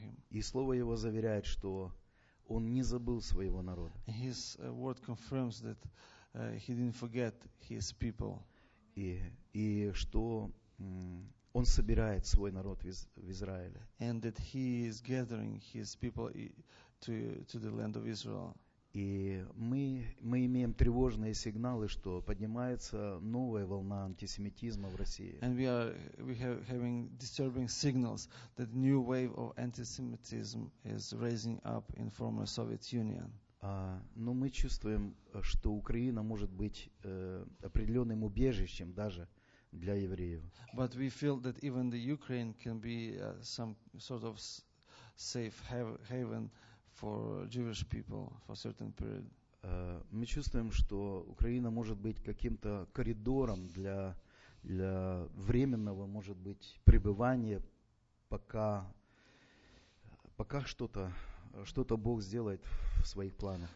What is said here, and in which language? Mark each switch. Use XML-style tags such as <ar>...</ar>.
<ru>И слово его заверяет, что он не забыл своего народа.</ru> <en>His word confirms that he didn't forget his people.</en> <ru>И что он собирает свой народ в Израиле.</ru> <en>And that he is gathering his people to the land of Israel.</en> <ru>И мы имеем тревожные сигналы, что поднимается новая волна антисемитизма в России.</ru> <en>And we are having disturbing signals that new wave of antisemitism is raising up in former Soviet Union.</en> <ru>Но мы чувствуем, что Украина может быть определенным убежищем даже для евреев.</ru> <en>But we feel that even the Ukraine can be some sort of safe haven for Jewish people for certain period.</en> <ru>Мы чувствуем, что Украина может быть каким-то коридором для временного, может быть, пребывания, пока что-то Бог сделает в своих планах.</ru>